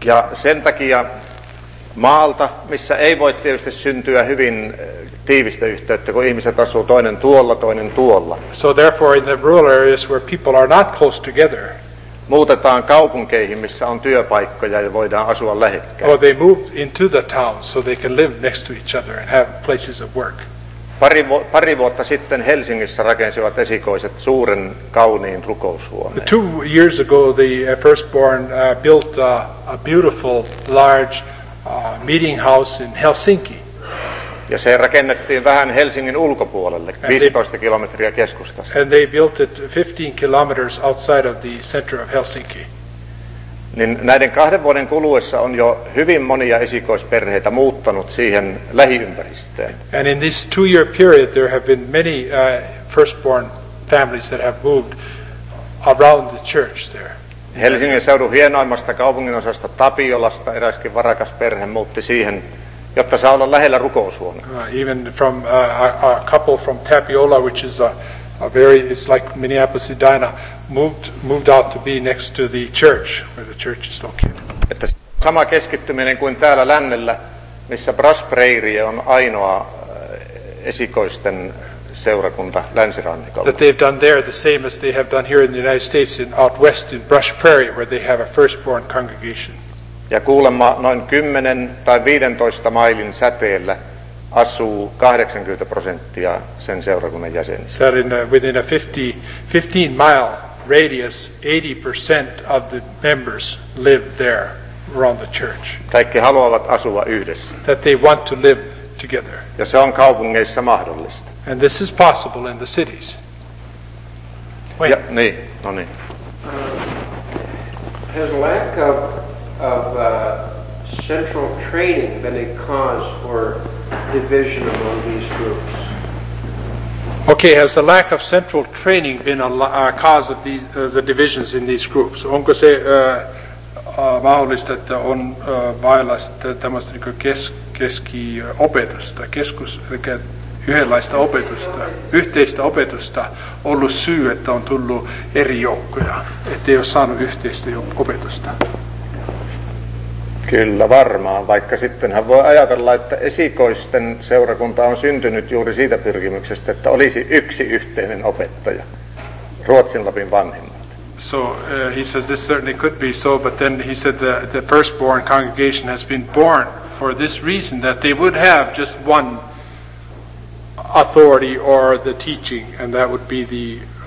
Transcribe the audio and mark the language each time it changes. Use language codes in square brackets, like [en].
[fi] Ja sen takia maalta, missä ei voi tietysti syntyä hyvin tiivistä yhteyttä, kun ihmiset asuu toinen tuolla, toinen tuolla. [en] So therefore in the rural areas where people are not close together. [fi] Muutetaan kaupunkeihin, missä on työpaikkoja ja voidaan asua lähekkäin. [en] Or they move into the town so they can live next to each other and have places of work. [fi] Pari vuotta sitten Helsingissä rakensivat esikoiset suuren kauniin rukoushuoneen. [en] 2 years ago the firstborn built a beautiful large meeting house in Helsinki. [fi] Ja se rakennettiin vähän Helsingin ulkopuolelle, 15 kilometriä keskustasta. [en] And they built it 15 kilometers outside of the center of Helsinki. [fi] Niin näiden 2 vuoden kuluessa on jo hyvin monia esikoisperheitä muuttanut siihen lähiympäristöön. [en] And in this 2 year period there have been many firstborn families that have moved around the church there. [fi] Helsingin seudun hienoimmasta kaupunginosasta Tapiolasta eräskin varakas perhe muutti siihen, jotta saa olla lähellä rukoushuone. [en] Even from a couple from Tapiola, which is a a very, it's like Minneapolis, Edina, moved out to be next to the church, where the church is located. [fi] Että sama keskittyminen kuin täällä lännellä, missä Brass Prairie on ainoa esikoisten seurakunta länsirannikolla. [en] That they've done there the same as they have done here in the United States in out west in Brass Prairie, where they have a firstborn congregation. [fi] Ja kuulemma noin 10 tai 15 mailin säteellä asuu 80% sen seurakunnan jäsenistä. [en] That within a 15 mile radius, 80% of the members live there around the church. [fi] Kaikki haluavat asua yhdessä. [en] That they want to live together. [fi] Ja se on kaupungeissa mahdollista. [en] And this is possible in the cities. Wait. [fi] Ja, niin, no niin. [en] Has lack of central training been a cause for division among these groups? Okay, has the lack of central training been a cause of the divisions in these groups? [fi] Onko se mahdollista, että on vailla tämmöistä keskiopetusta, keskus, eli yhdenlaista opetusta, yhteistä opetusta ollut syy, että on tullut eri joukkoja, ettei ole saanut yhteistä opetusta? Kyllä varmaan, vaikka sittenhän voi ajatella, että esikoisten seurakunta on syntynyt juuri siitä pyrkimyksestä, että olisi yksi yhteinen opettaja, Ruotsinlapin vanhemmat. [en] So he says this certainly could be so, but then he said the firstborn congregation has been born for this reason, that they would have just one authority or the teaching, and that would be the...